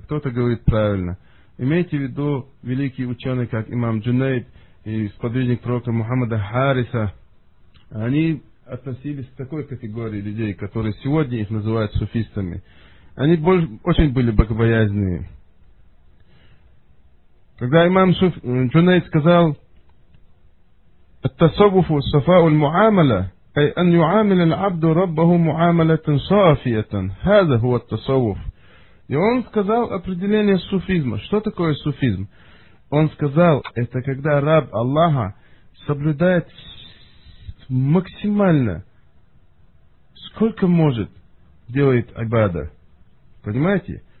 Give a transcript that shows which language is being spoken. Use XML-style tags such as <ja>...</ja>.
<ru>Кто-то говорит правильно. Имейте в виду великие ученые, как имам Джунейд и сподвижник пророка Мухаммада Хариса. Они относились к такой категории людей, которые сегодня их называют суфистами. Они очень были богобоязненные. Когда имам Джунейд сказал...</ru> <ar>التصوف صفاء المعاملة أي أن يعامل العبد ربه معاملة صافية هذا هو التصوف.</ar> <ru>И он сказал определение суфизма. Что такое суфизм? Он сказал, это когда раб Аллаха соблюдает максимально, сколько может, делает айбада. Понимаете?</ru>